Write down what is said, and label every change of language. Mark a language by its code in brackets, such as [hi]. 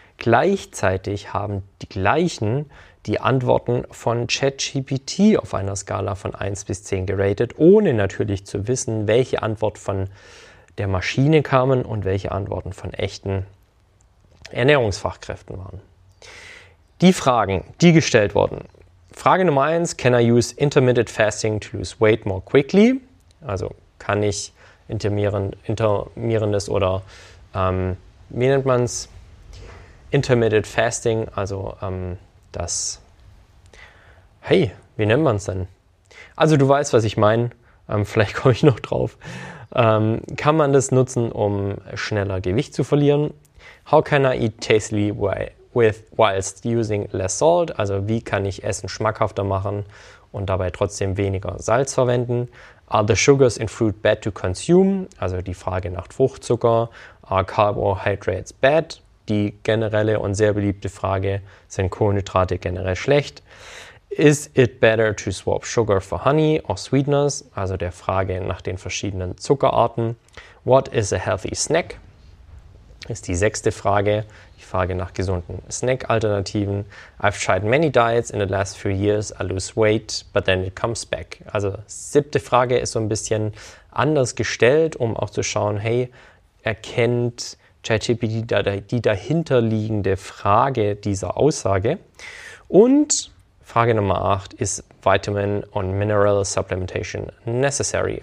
[de] Gleichzeitig haben die gleichen die Antworten von ChatGPT auf einer Skala von 1 bis 10 geratet, ohne natürlich zu wissen, welche Antwort von der Maschine kamen und welche Antworten von echten Ernährungsfachkräften waren. Die Fragen, die gestellt wurden. Frage Nummer 1, [en] can I use intermittent fasting to lose weight more quickly? [de] Also kann ich intermittierendes oder wie nennt man es? Intermittent fasting, also das, hey, Wie nennt man es denn? Also du weißt, was ich meine. Vielleicht komme ich noch drauf. Kann man das nutzen, um schneller Gewicht zu verlieren? [en] How can I eat tastily whilst using less salt? [de] Also wie kann ich Essen schmackhafter machen und dabei trotzdem weniger Salz verwenden? [en] Are the sugars in fruit bad to consume? [de] Also die Frage nach Fruchtzucker. [en] Are carbohydrates bad? [de] Die generelle und sehr beliebte Frage, sind Kohlenhydrate generell schlecht? [en] Is it better to swap sugar for honey or sweeteners? [de] Also der Frage nach den verschiedenen Zuckerarten. [en] What is a healthy snack? [de] Ist die sechste Frage. Die Frage nach gesunden Snack-Alternativen. [en] I've tried many diets in the last few years. I lose weight, but then it comes back. [de] Also siebte Frage ist so ein bisschen anders gestellt, um auch zu schauen, hey, erkennt ChatGPT die dahinterliegende Frage dieser Aussage? Und Frage Nummer 8, [en] is vitamin and mineral supplementation necessary?